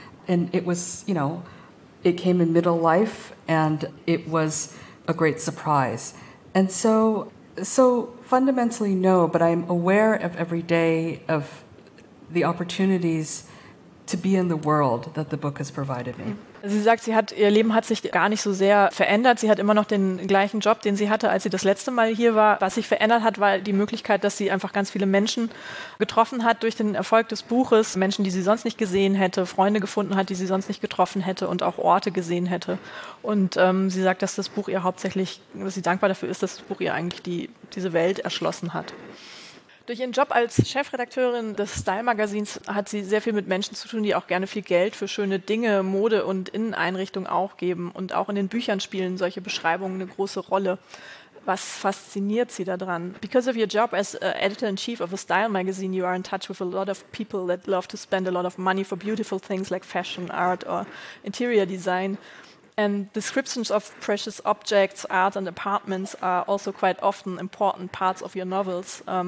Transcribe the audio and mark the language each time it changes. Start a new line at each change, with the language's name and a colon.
English: And it was, you know, it came in middle life, and it was a great surprise. And so fundamentally, no, but I'm aware of every day of the opportunities to be in the world that the book has provided me.
German: Sie sagt, ihr Leben hat sich gar nicht so sehr verändert. Sie hat immer noch den gleichen Job, den sie hatte, als sie das letzte Mal hier war. Was sich verändert hat, war die Möglichkeit, dass sie einfach ganz viele Menschen getroffen hat durch den Erfolg des Buches. Menschen, die sie sonst nicht gesehen hätte, Freunde gefunden hat, die sie sonst nicht getroffen hätte und auch Orte gesehen hätte. Und sie sagt, dass das Buch ihr hauptsächlich, dass sie dankbar dafür ist, dass das Buch ihr eigentlich diese Welt erschlossen hat. Durch ihren Job als Chefredakteurin des Style-Magazins hat sie sehr viel mit Menschen zu tun, die auch gerne viel Geld für schöne Dinge, Mode und Inneneinrichtung auch geben. Und auch in den Büchern spielen solche Beschreibungen eine große Rolle. Was fasziniert Sie daran?
English: Because of your job as editor-in-chief of a style magazine, you are in touch with a lot of people that love to spend a lot of money for beautiful things like fashion, art or interior design. And descriptions of precious objects, art, and apartments are also quite often important parts of your novels.